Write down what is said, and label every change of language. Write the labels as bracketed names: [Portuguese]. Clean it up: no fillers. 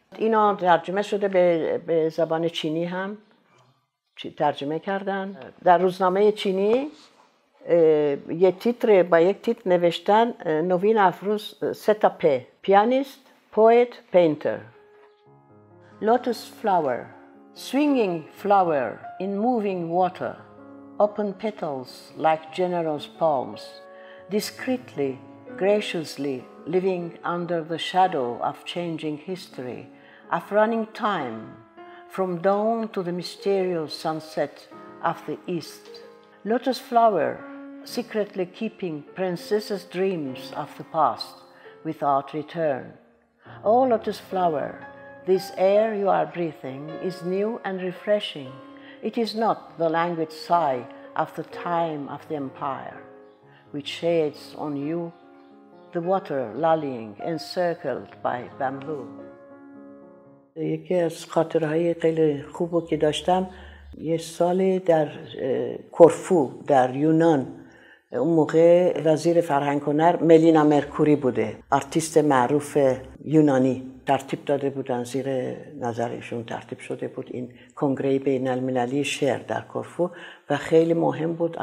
[Persian] اینا ترجمه شده به زبان چینی هم ترجمه کردن. در روزنامه چینی یه تیتر با یک تیتر نوشتن نوین افروز ستا پی، پیانیست، پویت، پینتر. [English] Lotus flower, swinging flower in moving water, open petals like generous palms, discreetly, graciously living under the shadow of changing history, of running time, from dawn to the mysterious sunset of the east. Lotus flower, secretly keeping princess's dreams of the past without return. Oh, lotus flower, this air you are breathing is new and refreshing. It is not the languid sigh of the time of the empire, which shades on you the water lullying encircled by bamboo. [Persian] یکی از خاطرهای خیلی خوبی که داشتم، یه سال در کورفو در یونان، اون موقع وزیر فرهنگ هنر ملینا مرکوری بوده، آرتیست معروف یونانی، ترتیب داده بودن زیر نظرشون، ترتیب شده بود این کنگره بین المللی شعر در کورفو و خیلی مهم بود.